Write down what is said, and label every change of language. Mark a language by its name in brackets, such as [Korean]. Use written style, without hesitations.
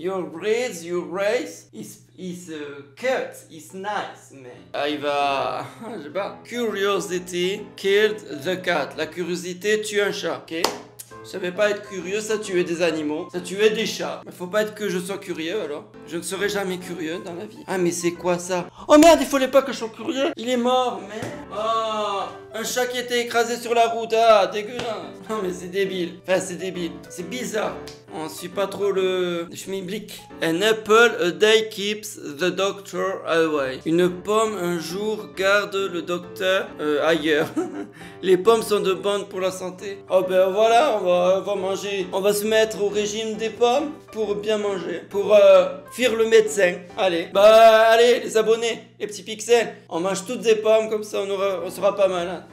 [English] Your breed, your race is cut, is nice, man. [French] Ah, il va. Je sais pas. [English] Curiosity killed the cat. [French] La curiosité tue un chat, ok? Ça veut pas être curieux, ça tuait des animaux, ça tuait des chats. Mais faut pas être que je sois curieux alors. Je ne serai jamais curieux dans la vie. Ah mais c'est quoi ça? Oh merde, il fallait pas que je sois curieux. Il est mort, mais. Oh, un chat qui était écrasé sur la route, ah, dégueulasse. Non mais c'est débile. Enfin c'est débile. C'est bizarre. On suit pas trop le schmiblick. [English] An apple a day keeps the doctor away. [French] Une pomme un jour garde le docteur ailleurs. Les pommes sont de bonnes pour la santé. Oh ben voilà, on va manger. On va se mettre au régime des pommes pour bien manger. Pour fuir le médecin. Allez, bah allez les abonnés, les petits pixels. On mange toutes des pommes comme ça on sera pas malin.